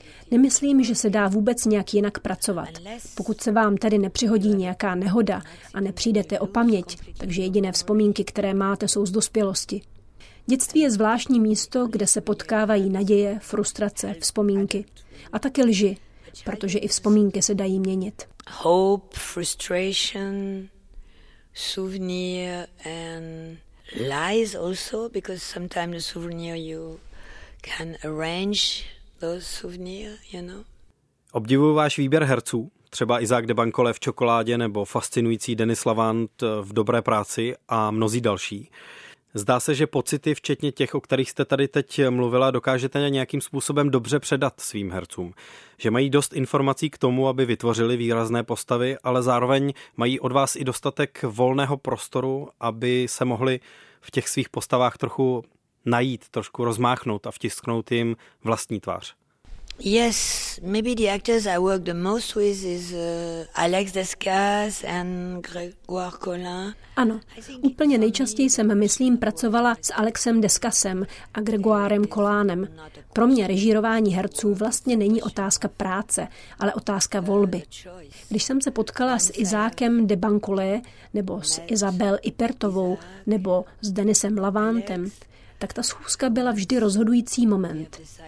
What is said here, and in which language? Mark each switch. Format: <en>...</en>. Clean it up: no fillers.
<cs>Nemyslím, že se dá vůbec nějak jinak pracovat. Pokud se vám tady nepřihodí nějaká nehoda a nepřijdete o paměť, takže jediné vzpomínky, které máte, jsou z dospělosti. Dětství je zvláštní místo, kde se potkávají naděje, frustrace, vzpomínky a taky lži, protože i vzpomínky se dají měnit.</cs> <en>Hope, frustration, souvenir and lies also, because sometimes the souvenir you can arrange those souvenir, you know.</en> <cs>Obdivuju váš výběr herců, třeba Isaac de Bankole v Čokoládě nebo fascinující Denis Lavant v Dobré práci a mnozí další. Zdá se, že pocity, včetně těch, o kterých jste tady teď mluvila, dokážete nějakým způsobem dobře předat svým hercům. Že mají dost informací k tomu, aby vytvořili výrazné postavy, ale zároveň mají od vás i dostatek volného prostoru, aby se mohli v těch svých postavách trochu najít, trošku rozmáchnout a vtisknout jim vlastní tvář.</cs> <en>Yes, maybe the actors I work the most with is Alex Descas and Grégoire Collin.</en> <cs>Ano, úplně nejčastěji jsem, myslím, pracovala s Alexem Descasem a Grégoirem Collinem. Pro mě režírování herců vlastně není otázka práce, ale otázka volby. Když jsem se potkala s Isaacem de Bankole, nebo s Isabelle Ipertovou, nebo s Denisem Lavantem, tak ta schůzka byla vždy rozhodující moment.</cs>